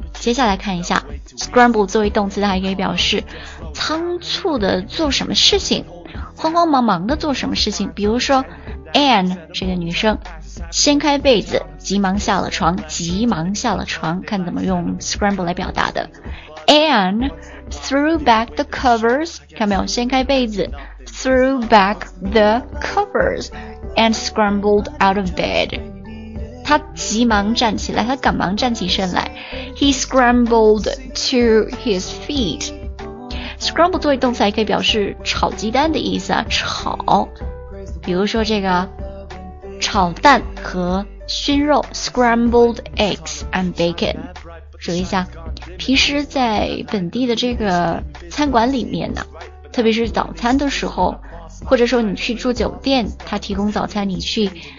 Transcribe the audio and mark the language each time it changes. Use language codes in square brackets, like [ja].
[zh] 接下来看一下 ,scramble 作为动词还可以表示仓促的做什么事情，慌慌忙忙的做什么事情。比如说 ,Anne, 这个女生掀开被子急忙下了床，急忙下了床，看怎么用 scramble 来表达的。 [en] Anne threw back the covers, [zh] 看没有，掀开被子 [en] ,threw back the covers, and scrambled out of bed. [zh] 他急忙站起来，他赶忙站起身来。 [en] He scrambled to his feet. [zh] Scramble 作为动词还可以表示炒鸡蛋的意思啊，炒。比如说这个炒蛋和熏肉 ， [en] scrambled eggs and bacon。 [zh] 注意一下，平时在本地的这个餐馆里面呢，特别是早餐的时候，或者说你去住酒店，他提供早餐，你去。